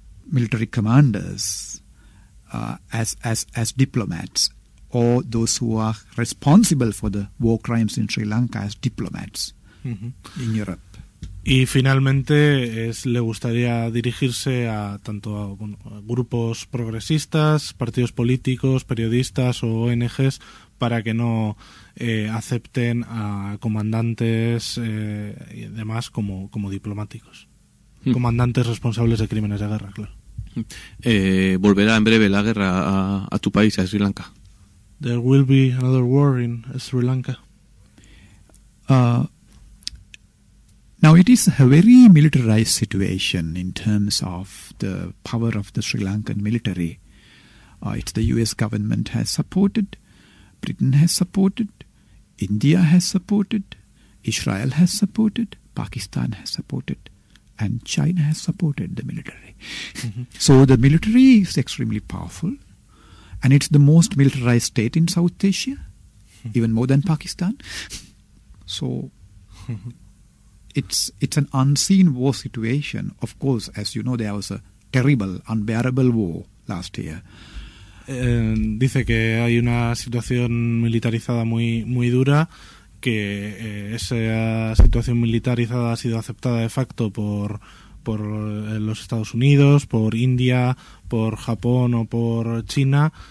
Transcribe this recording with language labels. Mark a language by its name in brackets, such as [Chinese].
[English] military commanders as diplomats, or those who are responsible for the war crimes in Sri Lanka as diplomats in Europe. [Spanish] Y finalmente le gustaría dirigirse a tanto a grupos progresistas, partidos políticos, periodistas o ONGs, para que no acepten a comandantes y demás como diplomáticos. Comandantes responsables de crímenes de guerra, claro. ¿Volverá en breve la guerra a tu país, a Sri Lanka? [English] There will be another war in Sri Lanka. Now, it is a very militarized situation in terms of the power of the Sri Lankan military. It's the US government has supported, Britain has supported, India has supported, Israel has supported, Pakistan has supported, and China has supported the military. So the military is extremely powerful, and it's the most militarized state in South Asia, even more than Pakistan. So... It's an unseen war situation. Of course, as you know, there was a terrible, unbearable war last year. [Spanish] Dice que hay una situación militarizada muy muy dura, que esa situación militarizada ha sido aceptada de facto por los Estados Unidos, por India, por Japón o por China.